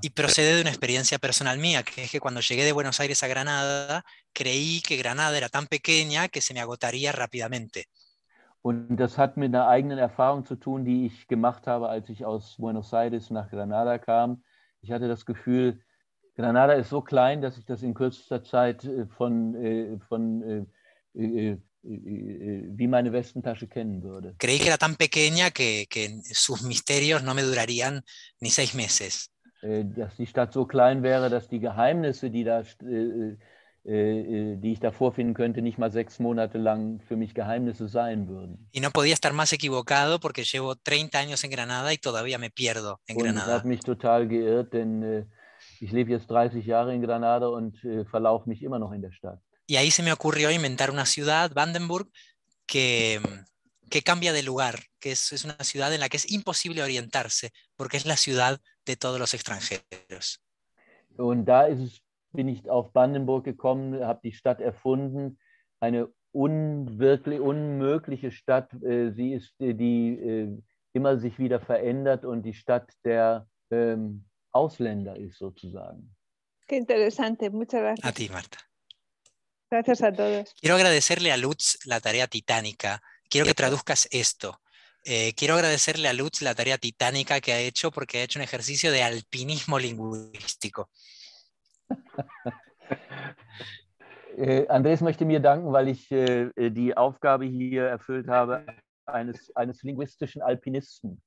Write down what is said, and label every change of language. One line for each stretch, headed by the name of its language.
Spanish: Y procede de una experiencia personal mía, que es que cuando llegué de Buenos Aires a Granada, creí que Granada era tan pequeña que se me agotaría rápidamente.
German: Und das hat mit einer eigenen Erfahrung zu tun, die ich gemacht habe, als ich aus Buenos Aires nach Granada kam. Ich hatte das Gefühl, Granada ist so klein, dass ich das in kürzester Zeit wie meine Westentasche kennen würde.
Spanish: Creí que era tan pequeña que sus misterios no me durarían ni seis meses.
German: Dass die Stadt so klein wäre, dass die Geheimnisse, die ich da vorfinden könnte, nicht mal sechs Monate lang für mich Geheimnisse sein würden.
Spanish: Y no podía estar más equivocado, porque llevo 30 años en Granada y todavía me pierdo en Granada.
German: Und ich habe mich total geirrt, denn ich lebe jetzt 30 Jahre in Granada und verlaufe mich immer noch in der Stadt.
Spanish: Y ahí se me ocurrió inventar una ciudad, Vandenburg, que cambia de lugar, que es una ciudad en la que es imposible orientarse, porque es la ciudad de todos los extranjeros.
German: Und da ist es, bin ich auf Brandenburg gekommen, habe die Stadt erfunden, eine unwirklich unmögliche Stadt. Sie ist die immer sich wieder verändert und die Stadt der Ausländer ist sozusagen.
Spanish: Qué interesante. Muchas gracias. A ti, Marta. Gracias a todos. Quiero agradecerle a Lutz la tarea titánica. Quiero que traduzcas esto. Quiero agradecerle a Lutz la tarea titánica que ha hecho porque ha hecho un ejercicio de alpinismo lingüístico.
German: Andrés, möchte mir danken, weil ich die Aufgabe hier erfüllt habe eines linguistischen Alpinisten.